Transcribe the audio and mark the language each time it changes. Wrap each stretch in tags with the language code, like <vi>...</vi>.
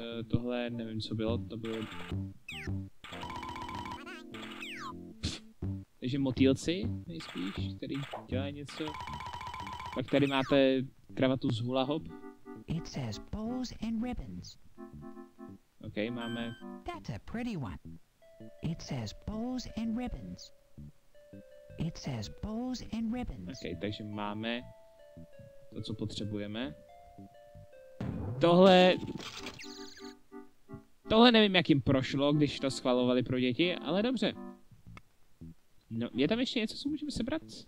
<cs>Tohle, nevím co bylo, to bylo... Takže motýlci nejspíš, který dělá něco. Pak tady máte kravatu z hula hop.</cs> <en>It says bows and ribbons. OK, máme... That's a pretty one. It says bows and ribbons. It says bows and ribbons.</en> <cs>Okay, takže máme to, co potřebujeme. Tohle nevím, jak jim prošlo, když to schvalovali pro děti, ale dobře. No, je tam ještě něco, co můžeme sebrat?</cs>